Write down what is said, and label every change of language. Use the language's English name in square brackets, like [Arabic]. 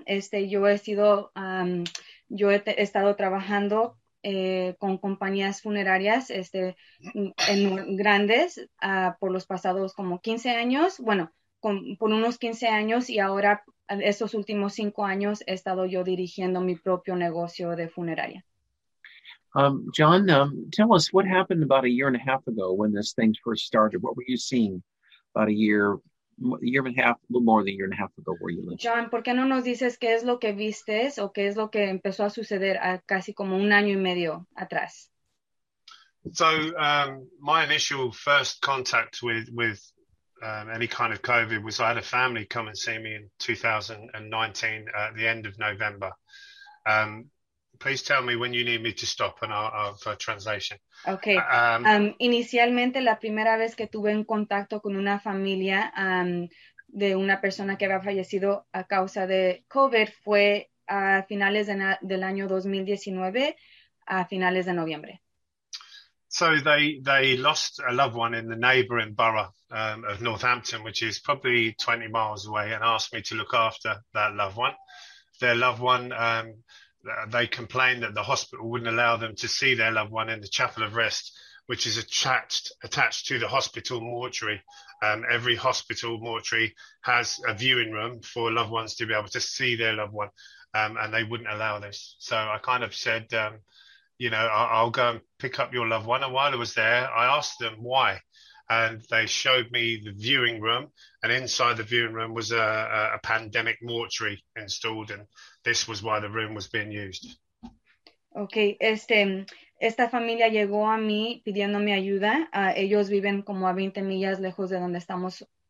[Spanish] Yo he sido, yo he estado trabajando con compañías funerarias en grandes por los pasados como 15 años, por unos 15 años, y ahora estos últimos 5 años he estado yo dirigiendo mi propio negocio de funeraria. [English] John, tell us what happened about a year and a half ago when this thing first started. What were you seeing about a little more than a year and a half ago where you lived? [Spanish] John, ¿por qué no nos dices qué es lo que viste o qué es lo que empezó a suceder a casi como un año y medio atrás? [English] So, my initial first contact with any kind of COVID was I had a family come and see me in 2019 at the end of November. Please tell me when you need me to stop and I'll for translation. Okay. [Spanish] Inicialmente, la primera vez que tuve un contacto con una familia de una persona que había fallecido a causa de COVID fue a finales del año 2019, a finales de noviembre. [English] So they lost a loved one in the neighboring borough of Northampton, which is probably 20 miles away, and asked me to look after that loved one. Their loved one, they complained that the hospital wouldn't allow them to see their loved one in the Chapel of Rest, which is attached to the hospital mortuary. Every hospital mortuary has a viewing room for loved ones to be able to see their loved one, and they wouldn't allow this. So I kind of said, I'll go and pick up your loved one. And while I was there, I asked them why, and they showed me the viewing room, and inside the viewing room was a pandemic mortuary installed, and this was why the room was being used. [Spanish] Okay, esta familia llegó a mí pidiéndome ayuda. Ellos viven como a 20 millas lejos de donde estamos